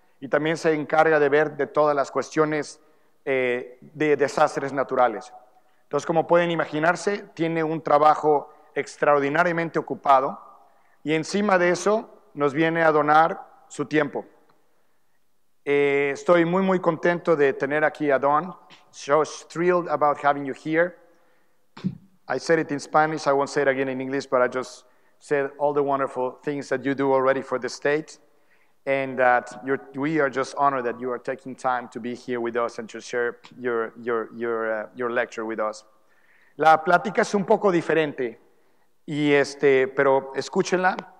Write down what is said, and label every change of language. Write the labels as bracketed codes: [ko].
[es] Y también se encarga de ver de todas las cuestiones de desastres naturales. Entonces, como pueden imaginarse, tiene un trabajo extraordinariamente ocupado y encima de eso nos viene a donar su tiempo. Estoy muy, muy contento de tener aquí a Dawn. [en] So thrilled about having you here. I said it in Spanish, I won't say it again in English, but I just said all the wonderful things that you do already for the state. And that we are just honored that you are taking time to be here with us and to share your lecture with us. [es] La plática es un poco diferente, y pero escúchenla.